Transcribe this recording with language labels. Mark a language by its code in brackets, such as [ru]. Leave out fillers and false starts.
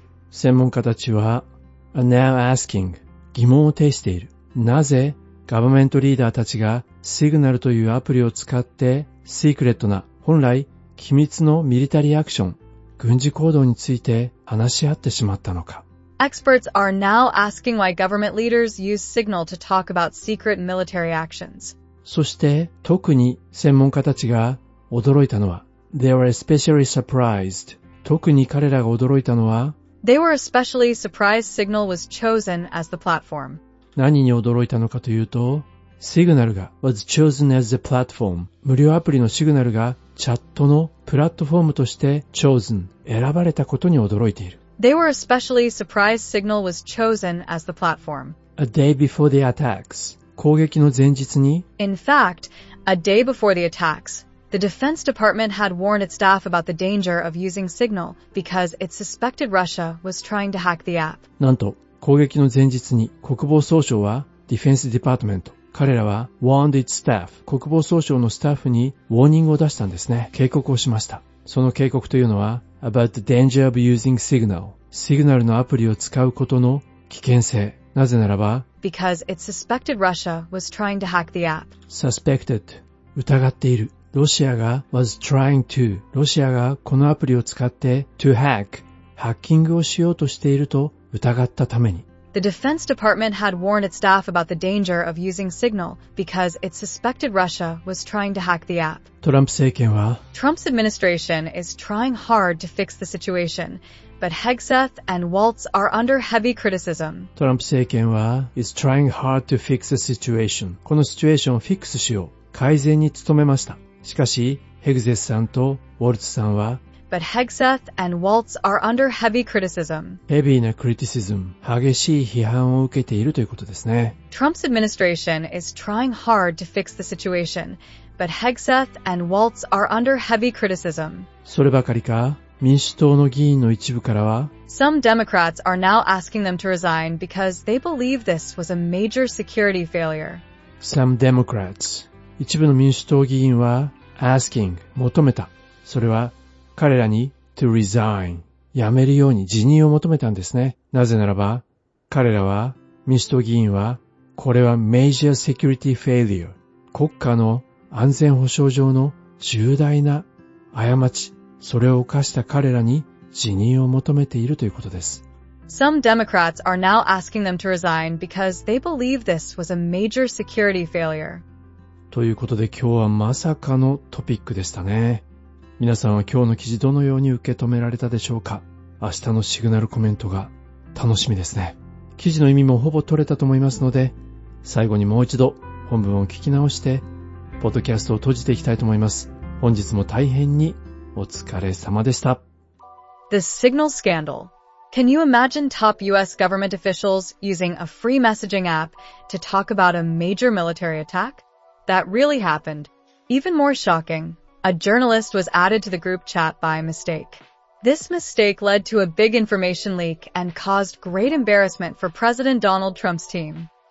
[ja] 専門家たちは、 [en] are now asking [ja] 疑問を呈している。なぜ、ガバメントリーダーたちが Signal というアプリを使って、secret な、本来、機密のミリタリーアクション、軍事行動について話し合ってしまったのか。 [en] Experts are now asking why government leaders use Signal to talk about secret military actions. [ja] そして特に専門家たちが驚いたのは [en] They were especially surprised. [ja] 特に彼らが驚いたのは [en] They were especially surprised Signal was chosen as the platform. [ja] 何に驚いたのかというと Signal が [en] was chosen as the platform. [ja] 無料アプリの Signal がチャットのプラットフォームとして [en] chosen [ja] 選ばれたことに驚いている。 [en] They were especially surprised Signal was chosen as the platform. A day before the attacks, [ja] 攻撃の前日に [en] In fact, a day before the attacks, the Defense Department had warned its staff about the danger of using Signal because it suspected Russia was trying to hack the app. [ja] なんと、攻撃の前日に国防総省は Defense Department 彼らは [en] warned its staff [ja] 国防総省のスタッフに warning を出したんですね。警告をしました。その警告というのは [en] About the danger of using Signal. [ja] Signal のアプリを使うことの危険性。なぜならば [en] Because it suspected Russia was trying to hack the app. Suspected. [ja] 疑っている。ロシアが [en] was trying to. [ja] ロシアがこのアプリを使って [en] to hack. [ja] ハッキングをしようとしていると疑ったために。 [en] The Defense Department had warned its staff about the danger of using Signal because it suspected Russia was trying to hack the app. Trump's administration is trying hard to fix the situation, but Hegseth and Waltz are under heavy criticism. Trump [ja] 政権は [en] is trying hard to fix the situation. [ja] このシチュエーションをフィックスしよう、改善に努めました。しかし、 [en] Hegseth さんと Waltz さんは But Hegseth and Waltz are under heavy criticism. Heavy な criticism. [ja] 激しい批判を受けているということですね。 [en] Trump's administration is trying hard to fix the situation, but Hegseth and Waltz are under heavy criticism. [ja] そればかりか、民主党の議員の一部からは、 [en] Some Democrats are now asking them to resign because they believe this was a major security failure. Some Democrats. [ja] 一部の民主党議員は、 [en] asking, [ja] 求めた。それは、彼らに [en] to resign [ja] 辞めるように辞任を求めたんですね。なぜならば彼らは民主党議員はこれは [en] major security failure [ja] 国家の安全保障上の重大な過ちそれを犯した彼らに辞任を求めているということです。 [en] Some Democrats are now asking them to resign because they believe this was a major security failure. [ja] ということで今日はまさかのトピックでしたね。皆さんは今日の記事どのように受け止められたでしょうか。明日のシグナルコメントが楽しみですね。記事の意味もほぼ取れたと思いますので、最後にもう一度本文を聞き直して、ポッドキャストを閉じていきたいと思います。本日も大変にお疲れ様でした。 [en] The Signal Scandal. Can you imagine top US government officials using a free messaging app to talk about a major military attack? That really happened. Even more shocking. A journalist was added to the group chat by mistake. This mistake led to a big information leak and caused great embarrassment for President Donald Trump's team.